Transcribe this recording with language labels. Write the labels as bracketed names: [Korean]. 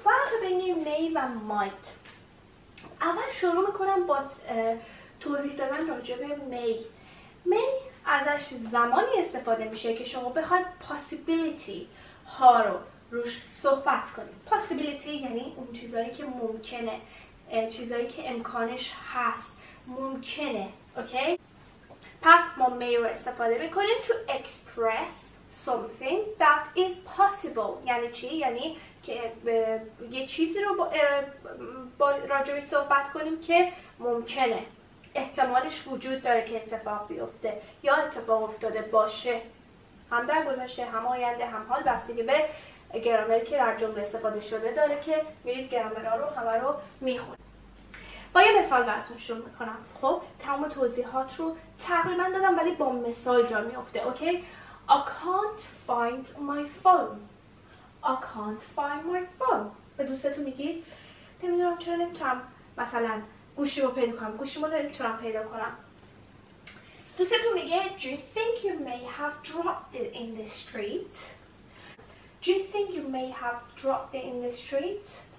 [Persian] فرق بین may و might. اول شروع میکنم با توضیح دادن راجع به may. may ازش زمانی استفاده میشه که شما بخواید possibility ها رو روش صحبت کنید. possibility یعنی اون چیزایی که ممکنه، چیزایی که امکانش هست، ممکنه. اوکی؟ پس ما may رو استفاده میکنیم [English] to express something that is possible. [Persian] یعنی چی؟ یعنی که یه چیزی رو با راجعش صحبت کنیم که ممکنه، احتمالش وجود داره که اتفاق بیفته یا اتفاق افتاده باشه، هم در گذشته هم آینده هم حال، بستگی به گرامری که در جمله استفاده شده داره که میرید گرامرها رو همه رو میخونید. با یه مثال براتون شروع میکنم. خب تمام توضیحات رو تقریبا دادم ولی با مثال جا میفته. [English] Okay? I can't find my phone. I can't find my phone. [Persian] به دوستتون میگی نمیدونم چرا نمیتونم مثلا گوشی رو پیدا کنم. گوشی رو نمیتونم پیدا کنم. دوستتون میگه [English] Do you think you may have dropped it in the street? Do you think you may have dropped it in the street?